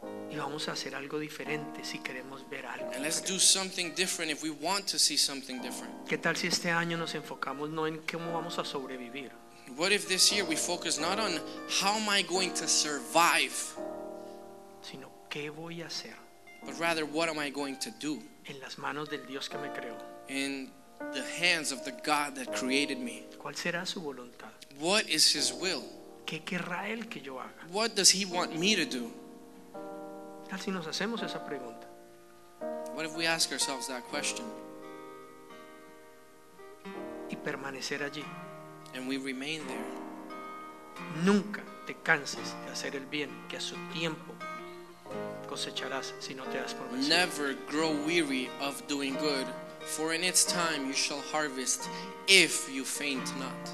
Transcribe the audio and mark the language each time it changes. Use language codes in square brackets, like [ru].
[es] Y vamos a hacer algo diferente si queremos ver algo. [en] And let's do something different if we want to see something different. [es] ¿Qué tal si este año nos enfocamos no en cómo vamos a sobrevivir? [en] What if this year we focus not on how am I going to survive, [es] sino qué voy a hacer? [en] But rather, what am I going to do? [es] En las manos del Dios que me creó. [en] In the hands of the God that created me. [es] ¿Cuál será su voluntad? [en] What is his will? [es] ¿Qué querrá él que yo haga? [en] What does he want me to do? [es] ¿Qué tal si nos hacemos esa pregunta? [en] What if we ask ourselves that question? [es] Y permanecer allí. [en] And we remain there. [es] Nunca te canses de hacer el bien, que a su tiempo cosecharás si no te das por vencido. [en] Never grow weary of doing good, for in its time you shall harvest if you faint not.